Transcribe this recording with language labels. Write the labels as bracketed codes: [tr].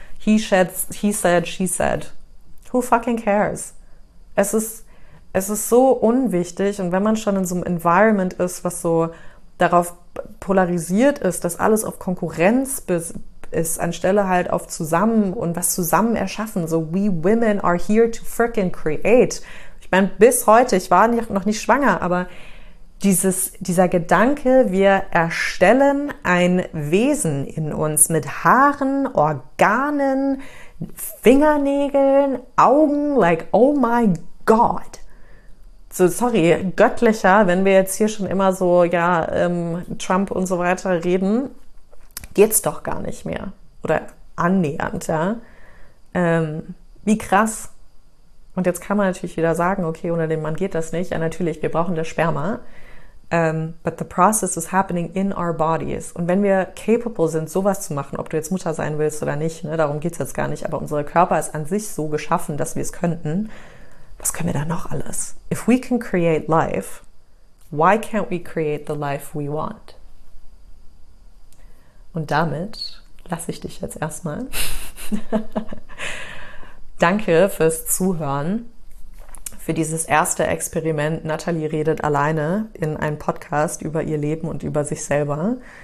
[en] He said, she said. Who fucking cares? [de] Es ist so unwichtig und wenn man schon in so einem Environment ist, was so darauf polarisiert ist, dass alles auf Konkurrenz ist anstelle halt auf zusammen und was zusammen erschaffen. [en] So, we women are here to freaking create. [de] Ich meine, bis heute, ich war noch nicht schwanger, aber dieser Gedanke, wir erstellen ein Wesen in uns mit Haaren, Organen, Fingernägeln, Augen, [en] like, oh my God. [de] So, sorry, göttlicher, wenn wir jetzt hier schon immer so, ja, Trump und so weiter reden. Geht's doch gar nicht mehr. Oder annähernd, ja. Wie krass. Und jetzt kann man natürlich wieder sagen, okay, ohne den Mann geht das nicht. Ja, natürlich, wir brauchen das Sperma. [en] But the process is happening in our bodies. [de] Und wenn wir capable sind, sowas zu machen, ob du jetzt Mutter sein willst oder nicht, ne, darum geht es jetzt gar nicht, aber unser Körper ist an sich so geschaffen, dass wir es könnten. Was können wir da noch alles? [en] If we can create life, why can't we create the life we want? [de] Und damit lasse ich dich jetzt erstmal. Danke fürs Zuhören, für dieses erste Experiment. Natalie redet alleine in einem Podcast über ihr Leben und über sich selber.